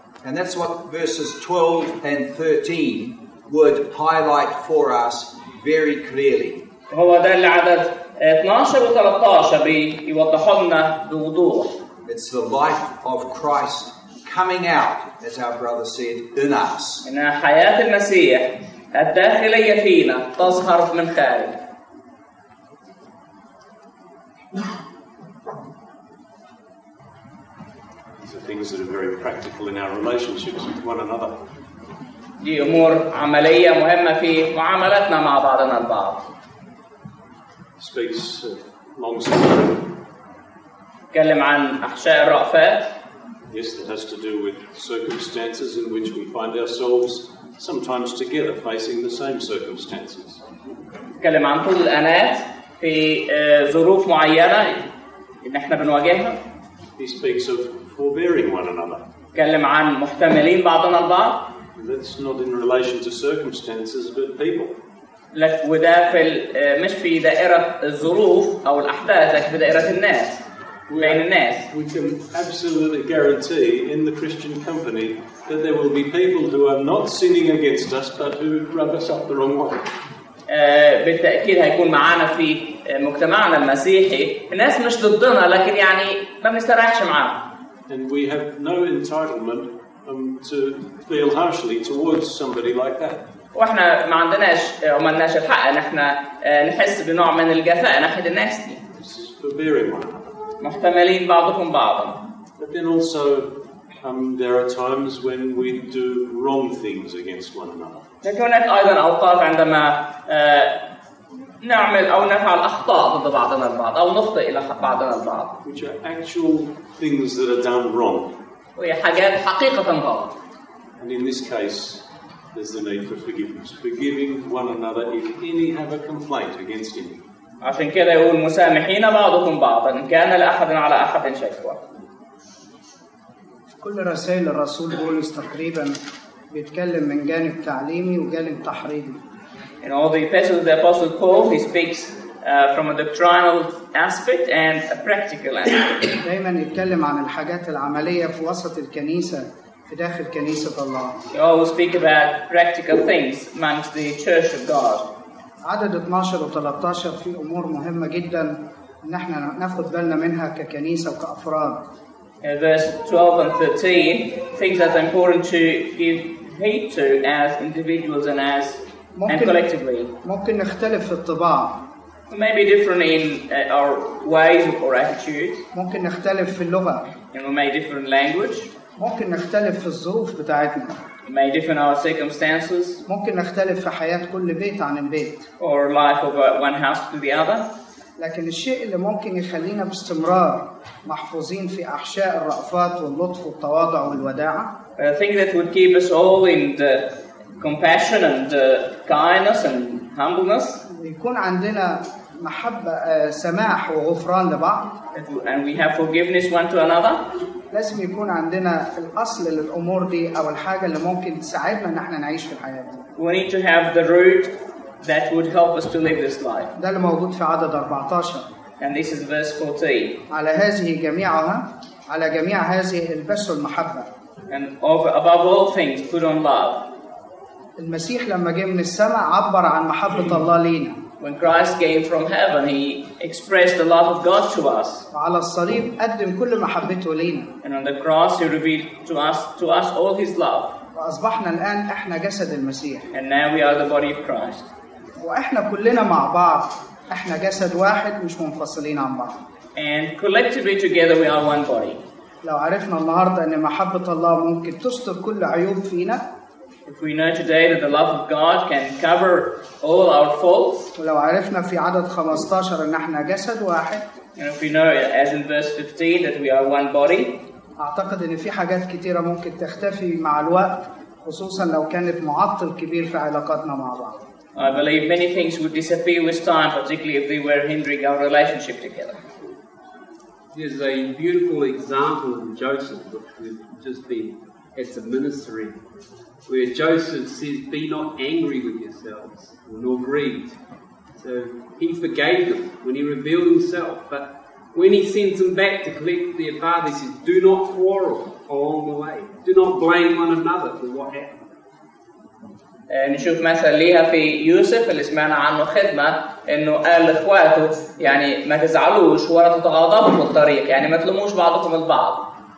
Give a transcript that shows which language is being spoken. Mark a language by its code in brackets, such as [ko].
[en] And that's what verses 12 and 13 would highlight for us very clearly. [ar] هو ده اللي عدد 12 و13 بيوضحوا لنا بوضوح. [en] It's the life of Christ coming out, as our brother said, in us. [ar] إن حياة المسيح الداخلية فينا تظهر من خارج. [en] These are things that are very practical in our relationships with one another. [ar] دي أمور عملية مهمة في معاملتنا مع بعضنا البعض. [en] Speaks long suffering. [ar] تكلم عن أحشاء الرأفات. [en] Yes, that has to do with circumstances in which we find ourselves sometimes together facing the same circumstances. [ar] تكلم عن طول الأنات في ظروف معينة إن إحنا بنواجهها. [en] He speaks of forbearing one another. [ar] تكلم عن محتملين بعضنا البعض. [en] That's not in relation to circumstances but people. [ar] وده في مش في دائرة الظروف أو الأحداث لكن في دائرة الناس. [en] We can absolutely guarantee in the Christian company that there will be people who are not sinning against us but who rub us up the wrong way. [ar] بالتأكيد هيكون معانا في مجتمعنا المسيحي الناس مش ضدنا لكن يعني ما بنسترعش معاهم. [en] And we have no entitlement to feel harshly towards somebody like that. [ar] واحنا ما عندناش وما لناش الحق ان احنا نحس بنوع من الجفاء ناحية الناس دي. [en] This is forbearing one. [ar] محتملين بعضكم بعضا. [en] But then also, there are times when we do wrong things against one another. [ar] لكن هناك أيضا أوقات عندما نعمل أو نفعل أخطاء ضد بعضنا البعض أو نخطئ إلى بعضنا البعض. [en] Which are actual things that are done wrong. [ar] وهي حاجات حقيقة غلط. [en] And in this case, there's the need for forgiveness, forgiving one another if any have a complaint against him. [ar] عشان كده يقول مسامحين بعضكم بعضا إن كان لأحد على أحد شكوى. كل رسائل الرسول بولس تقريبا بيتكلم من جانب تعليمي وجانب تحريضي. [en] In all the epistles of the apostle Paul, he speaks from a doctrinal aspect and a practical aspect. [ar] دائما يتكلم عن الحاجات العملية في وسط الكنيسة في داخل كنيسة الله. [en] He always speak about practical things amongst the church of God. [ar] عدد 12 و13 في أمور مهمة جدا إن إحنا نأخذ بالنا منها ككنيسة وكأفراد. [en] Verse 12 and 13, things that are important to give heed to as individuals and as and collectively. [ar] ممكن نختلف في الطباع. [en] Maybe different in our ways or attitudes. [ar] ممكن نختلف في اللغة. [en] And we may differ in language. [ar] ممكن نختلف في الظروف بتاعتنا. [en] May differ in our circumstances. [ar] ممكن نختلف في حياة كل بيت عن البيت. [en] Or life of one house to the other. [ar] لكن الشيء اللي ممكن يخلينا باستمرار محفوظين في أحشاء الرأفات واللطف والتواضع والوداعة. [en] A thing that would keep us all in the compassion and the kindness and humbleness. [ar] يكون عندنا محبة سماح وغفران لبعض. [en] And we have forgiveness one to another. [ar] لازم يكون عندنا في الأصل للأمور دي أو الحاجة اللي ممكن تساعدنا إن إحنا نعيش في الحياة دي. [en] We need to have the root that would help us to live this life. [ar] ده اللي موجود في عدد 14. [en] And this is verse 14. [ar] على هذه جميعها، على جميع هذه البسوا المحبة. [en] And above all things, put on love. [ar] المسيح لما جه من السماء عبر عن محبة الله لينا. [en] When Christ came from heaven, he expressed the love of God to us. [ar] على الصليب قدم كل محبته لينا. [en] And on the cross, he revealed to us all his love. [ar] وأصبحنا الآن إحنا جسد المسيح. [en] And now we are the body of Christ. [ar] وإحنا كلنا مع بعض. إحنا جسد واحد مش منفصلين عن بعض. [en] And collectively together, we are one body. [ar] لو عرفنا النهاردة إن محبة الله ممكن تستر كل عيوب فينا. [en] If we know today that the love of God can cover all our faults, [ar] ولو عرفنا في عدد 15 إن إحنا جسد واحد, [en] and if we know, as in verse 15, that we are one body, [ar] أعتقد إن في حاجات كتيرة ممكن تختفي مع الوقت, خصوصاً لو كانت معطل كبير في علاقاتنا مع بعض. [en] I believe many things would disappear with time, particularly if they were hindering our relationship together. Here's a beautiful example of Joseph, which we've just been as a ministry. Where Joseph says, "Be not angry with yourselves, nor grieved." It's So he forgave them when he revealed himself. But when he sends them back to collect their father, he says, do not quarrel along the way. Do not blame one another for what happened. [ar] نشوف مثلا ليها في يوسف اللي سمعنا عنه خدمة انه قال لاخواته يعني ما تزعلوش ولا تتغاضبوا في الطريق يعني ما تلوموش بعضكم البعض.